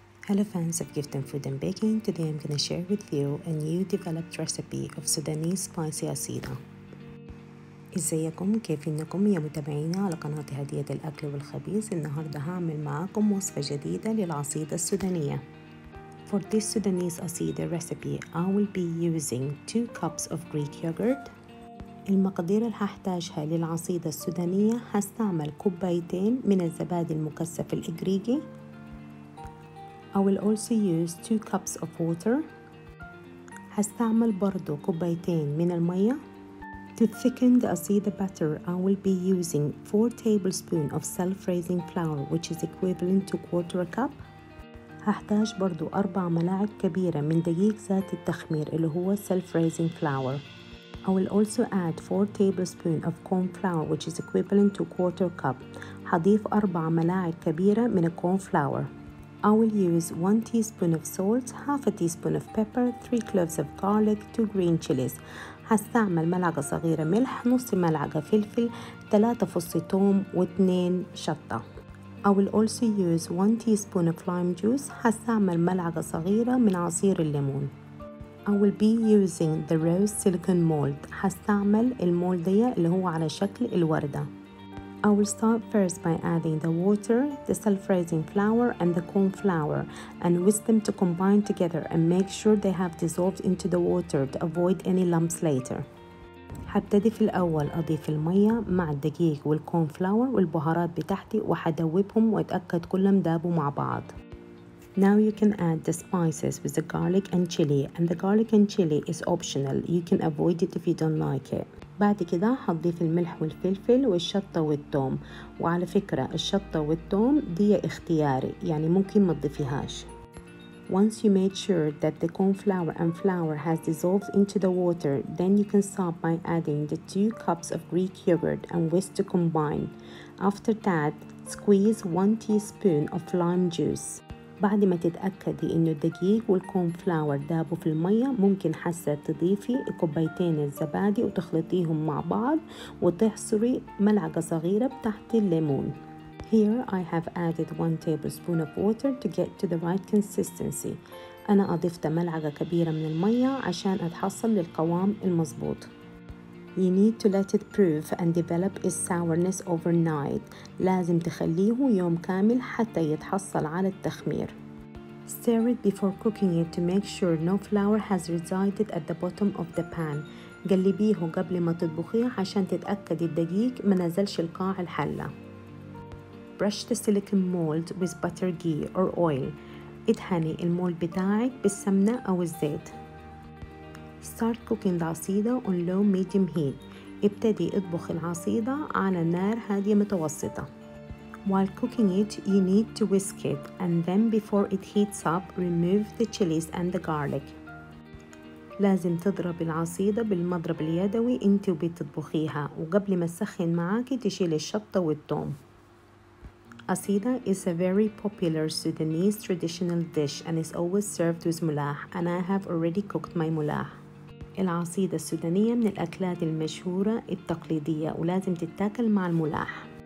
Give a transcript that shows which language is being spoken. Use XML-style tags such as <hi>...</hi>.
<en>Hello fans of Gift and Food and Baking. Today I'm going to share with you a new developed recipe of Sudanese spicy asida.</en> <ar>ازيكم كيفينكم يا متابعينا على قناة هدية الأكل والخبيز. النهاردة هعمل معكم وصفة جديدة للعصيدة السودانية.</ar> <en>For this Sudanese asida recipe, I will be using 2 cups of Greek yogurt.</en> <ar>المقادير اللي هحتاجها للعصيدة السودانية هستعمل 2 كوبايتين من الزبادي المكثف الإجريجي.</ar> <en>I will also use 2 cups of water.</en> <ar>هستعمل برضو 2 كوبايتين من المية.</ar> <en>To thicken the asida batter, I will be using 4 tablespoons of self-raising flour, which is equivalent to 1/4 cup.</en> <ar>هحتاج برضو 4 ملاعق كبيرة من دقيق ذات التخمير اللي هو self-raising flour.</ar> <en>I will also add 4 tablespoons of corn flour, which is equivalent to 1/4 cup.</en> <ar>هضيف 4 ملاعق كبيرة من corn flour.</ar> <en>I will use 1 teaspoon of salt, 1/2 teaspoon of pepper, 3 cloves of garlic, 2 green chilies.</en> <ar>هستعمل ملعقة صغيرة ملح, نص ملعقة فلفل, 3 فص ثوم و 2 شطة.</ar> <en>I will also use 1 teaspoon of lime juice.</en> <ar>هستعمل ملعقة صغيرة من عصير الليمون.</ar> <en>I will be using the rose silicon mold.</en> <ar>هستعمل المولدية اللي هو على شكل الوردة.</ar> <en>I will start first by adding the water, the self-raising flour, and the corn flour, and whisk them to combine together and make sure they have dissolved into the water to avoid any lumps later.</en> <ar>هبتدي في الأول أضيف المية مع الدقيق والكورن فلاور والبهارات بتاعتي وهدوبهم وأتأكد كلهم دابوا مع بعض.</ar> <en>Now you can add the spices with the garlic and chili, and the garlic and chili is optional. You can avoid it if you don't like it.</en> <ar>بعد كده هضيف الملح والفلفل والشطة والثوم, وعلى فكرة الشطة والثوم دي اختياري, يعني ممكن ما تضيفيهاش.</ar> <en>Once you made sure that the corn flour and flour has dissolved into the water, then you can start by adding the 2 cups of Greek yogurt and whisk to combine. After that, squeeze 1 teaspoon of lime juice.</en> <ar>بعد ما تتأكدي إن الدقيق والكورن فلاور دابوا في المية, ممكن حاسة تضيفي 2 كوبايتين الزبادي وتخلطيهم مع بعض وتحصري ملعقة صغيرة بتاعت الليمون.</ar> <en>Here I have added 1 tablespoon of water to get to the right consistency.</en> <ar>أنا أضفت ملعقة كبيرة من المية عشان أتحصل للقوام المظبوط.</ar> <en>You need to let it proof and develop its sourness overnight.</en> <ar>لازم تخليه يوم كامل حتى يتحصل على التخمير.</ar> <en>Stir it before cooking it to make sure no flour has resided at the bottom of the pan.</en> <ar>قلبيه قبل ما تطبخيه عشان تتأكد الدقيق ما نزلش القاع الحلة.</ar> <en>Brush the silicone mold with butter ghee or oil.</en> <ar>ادهني المولد بتاعك بالسمنة أو الزيت.</ar> <en>Start cooking the asida on low medium heat.</en> <ar>ابتدي اطبخ العصيدة على نار هادية متوسطة.</ar> <en>While cooking it, you need to whisk it, and then before it heats up, remove the chilies and the garlic.</en> <ar>لازم تضرب العصيدة بالمضرب اليدوي انت وبتطبخيها, وقبل ما تسخن معاكي تشيل الشطة والثوم.</ar> <en>Asida is a very popular Sudanese traditional dish and is always served with mulah, and I have already cooked my mulah.</en> <ar>العصيدة السودانية من الأكلات المشهورة التقليدية ولازم تتاكل مع الملاح.</ar>